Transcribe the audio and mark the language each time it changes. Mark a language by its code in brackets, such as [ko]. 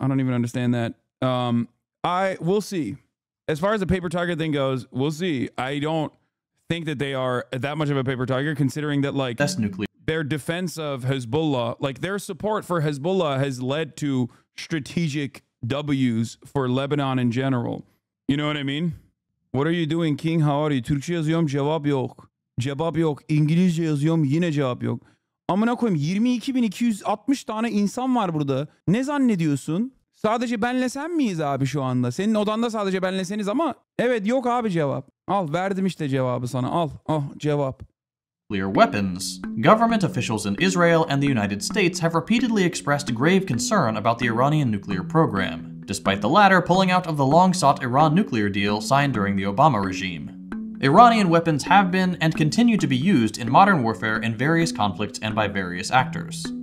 [en] I don't even understand that. We'll see. As far as the paper tiger thing goes, we'll see. I don't think that they are that much of a paper tiger, considering that, like... That's nuclear. Their defense of Hezbollah, like, their support for Hezbollah has led to strategic W's for Lebanon in general. You know what I mean? What are you doing, King? How are you? [tr] Türkçe yazıyorum, cevap yok. Cevap yok. İngilizce yazıyorum, yine cevap yok. Amına koyayım, 22.260 tane insan var burada. Ne zannediyorsun? Sadece benle sen miyiz abi şu anda? Senin odanda sadece benleseniz ama... Evet, yok abi cevap. Al, verdim işte cevabı sana. Al, oh, cevap. [en] Nuclear weapons. Government officials in Israel and the United States have repeatedly expressed grave concern about the Iranian nuclear program, despite the latter pulling out of the long-sought Iran nuclear deal signed during the Obama regime. Iranian weapons have been and continue to be used in modern warfare in various conflicts and by various actors.